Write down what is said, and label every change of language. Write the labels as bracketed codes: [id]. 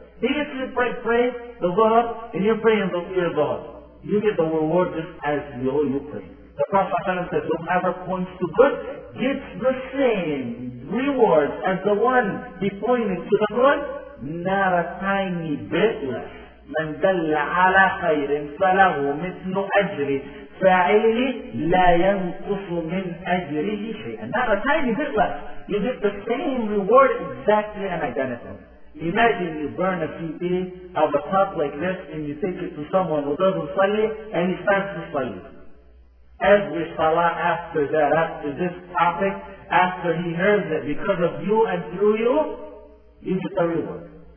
[en] He gets to pray the dhuhr, and you're praying the fear of God. You get the reward just as you owe you pray. The Prophet ﷺ says, whoever points to good gets the same reward as the one he pointed to the good. Not a tiny bit less. [ar] من دل على خير فله مثل أجر فاعله لا ينقص من أجره شيئا. [en] Not a tiny bit less. You get the same reward exactly and identical. Imagine you burn a CD of a cup like this and you take it to someone who doesn't salli and he starts to salli. Every salah after that, after this topic, after he hears it because of you and through you, you get the reward.